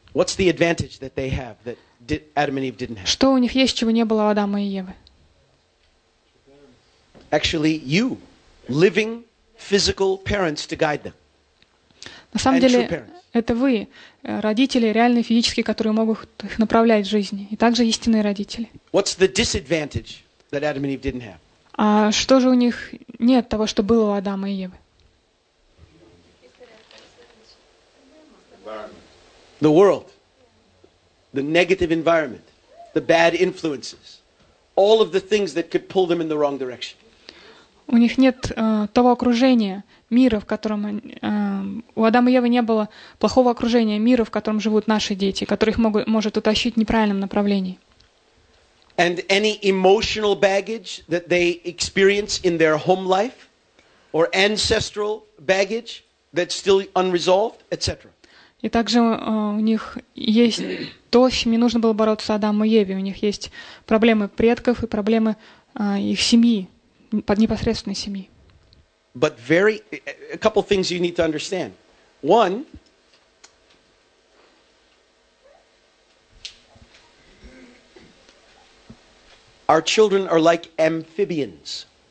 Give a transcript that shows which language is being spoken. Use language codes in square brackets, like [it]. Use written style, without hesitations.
[en] What's the advantage that they have that Adam and Eve didn't have? [ru] Что у них есть, чего не было у Адама и Евы? [en] Actually, you, living physical parents to guide them. [ru] На самом деле, это вы, родители, реальные физические, которые могут их направлять в жизни, и также истинные родители. [en] What's the disadvantage that Adam and Eve didn't have? [ru] А что же у них нет того, что было у Адама и Евы? [en] The world, the negative environment, the bad influences, all of the things that could pull them in the wrong direction. [ru] У них нет того окружения, мира, в котором у Адама и Евы не было плохого окружения, мира, в котором живут наши дети, который их может утащить в неправильном направлении. [en] And any emotional baggage that they experience in their home life, or ancestral baggage that's still unresolved, etc. [ru] И также у них есть то, с чем не нужно было бороться Адаму и Еве. У них есть проблемы предков и проблемы их семьи, под непосредственной семьи. [en] But a couple things you need to understand. One, our children are like amphibians.